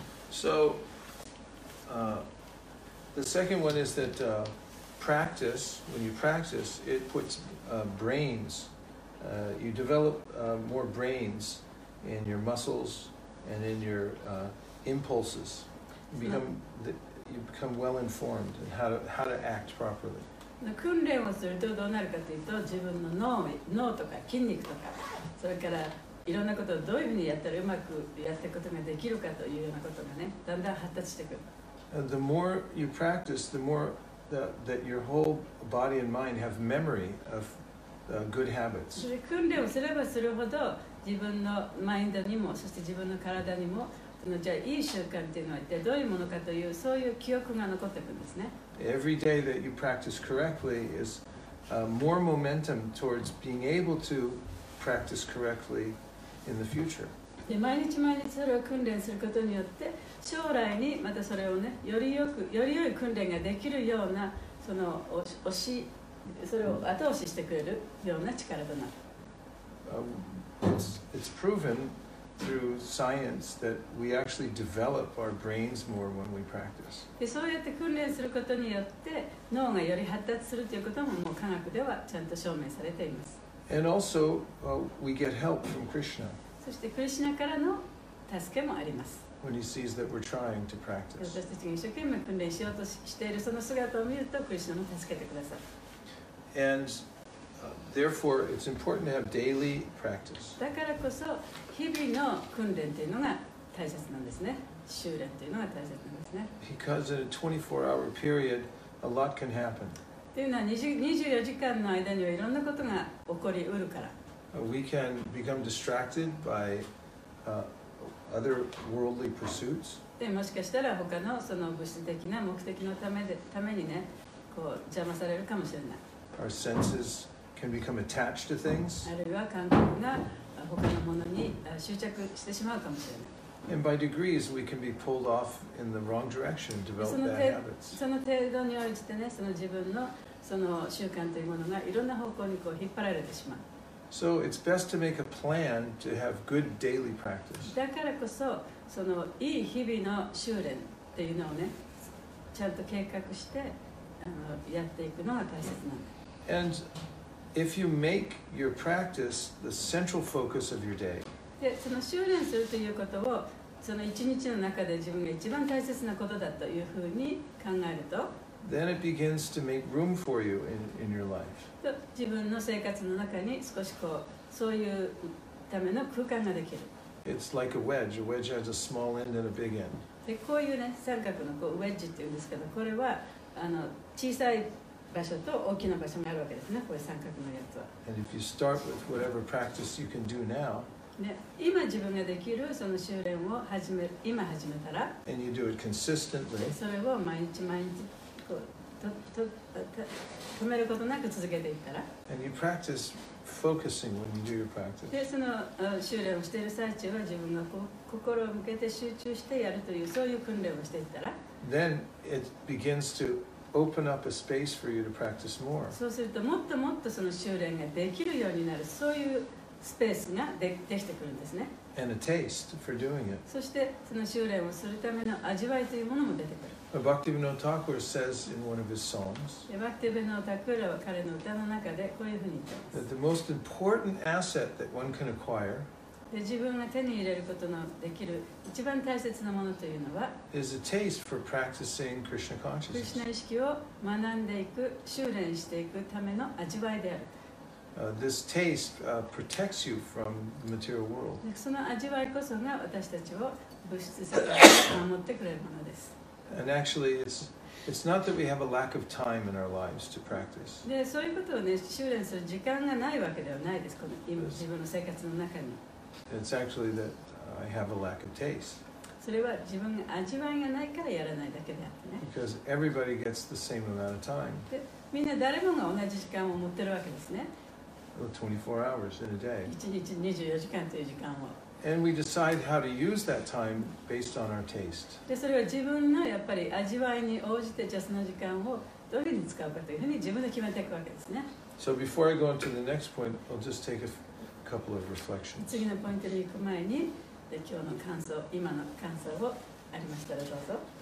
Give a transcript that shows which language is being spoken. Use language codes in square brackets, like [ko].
[en] So, the second one is that practice, when you practice, it puts brains, you develop more brains in your muscles and in your impulses. You become well informed in how to act properly. [ja] 訓練をするとどうなるかというと、自分の脳とか筋肉とか、それからいろんなことをどういうふうにやったらうまくやっていくことができるかというようなことがね、だんだん発達してくる。 [en] The more you practice, the moreThat your whole body and mind have memory of good habits. [ja] 訓練をすればするほど自分のマインドにもそして自分の体にもそのじゃあいい習慣というのは一体どういうものかというそういう記憶が残っていくんですね。 [en] Every day that you practice correctly is more momentum towards being able to practice correctly in the future. [ja] で毎日毎日それを訓練することによって将来にまたそれをねよりよくより良い訓練ができるようなその押しそれを後押ししてくれるような力となる。 [en] It's proven through science that we actually develop our brains more when we practice. [ja] でそうやって訓練することによって脳がより発達するということももう科学ではちゃんと証明されています。 [en] And also, we get help from Krishna. [ja] そしてクリシナからの助けもあります。 [en] When he sees that we're trying to practice. [ja] 私たちが一生懸命訓練しようとしているその姿を見るとクリシナも助けてくださる。 [en] And, therefore, it's important to have daily practice. [ja] だからこそ日々の訓練というのが大切なんですね。修練というのが大切なんですね。 [en] Because in a 24-hour period, a lot can happen. [ja] というのは24時間の間にはいろんなことが起こりうるから。 [en] We can become distracted by other worldly pursuits. [ja] でもしかしたら他のその物質的な目的のためでためにね、こう邪魔されるかもしれない。 [en] Our senses can become attached to things. [ja] あるいは感覚が他のものに執着してしまうかもしれない。 [en] And by degrees, we can be pulled off in the wrong direction, develop bad habits. [ja] その程度に応じてね、その自分のその習慣というものがいろんな方向にこう引っ張られてしまう。 [en] So it's best to make a plan to have good daily practice. [ja] だからこそ、そのいい日々の修練っていうのをね、ちゃんと計画してやっていくのが大切なんだ。 [en] And if you make your practice the central focus of your day. [ja] で、その修練するということをその一日の中で自分が一番大切なことだというふうに考えると、 [en] Then it begins to make room for you in your life. [ja] 自分の生活の中に少しこうそういうための空間ができる。 [en] It's like a wedge. A wedge has a small end and a big end. [ja] でこういうね三角のこうウェッジっていうんですけど、これはあの小さい場所と大きな場所があるわけですね。こういう三角のやつは。 [en] And if you start with whatever practice you can do now. [ja] ね今自分ができるその修練を始めたら。 [en] And you do it consistently. [ja] それを毎日毎日。止めることなく続けていったら [en] And you practice focusing when you do your practice. [ja] でその修練をしている最中は自分がこう心を向けて集中してやるというそういう訓練をしていったら [en] Then it begins to open up a space for you to practice more. [ja] そうするともっともっとその修練ができるようになるそういうスペースが できてくるんですね [en] And a taste for doing it. [ja] そしてその修練をするための味わいというものも出てくる [en] Bhaktivinoda Thakur says in one of his songs that the most important asset that one can acquire [ja] で、自分が手に入れることのできる一番大切なものというのは、 [en] is a taste for practicing Krishna consciousness. [ja] クリシナ意識を学んでいく、修練していくための味わいである。 [en] This taste protects you from the material world. [ja] その味わいこそが私たちを物質世界から守ってくれるものです。 [en] And actually, it's not that we have a lack of time in our lives to practice. [ja] で、そういうことをね、修練する時間がないわけではないです。この今自分の生活の中に。 [en] It's actually that I have a lack of taste. [ja] それは自分が味わいがないからやらないだけであってね。 [en] Because everybody gets the same amount of time. [ja] みんな誰もが同じ時間を持ってるわけですね。 [en] 24 hours in a day. [ja] 1日24時間という時間を。 [en] And we decide how to use that time based on our taste. [ja] で、それは自分のやっぱり味わいに応じて、じゃあその時間をどういうふうに使うかというふうに自分で決めていくわけですね。 [en] So before I go on to the next point, I'll just take a couple of reflections. [ja] 次のポイントに行く前に、で、今日の感想、今の感想をありましたらどうぞ。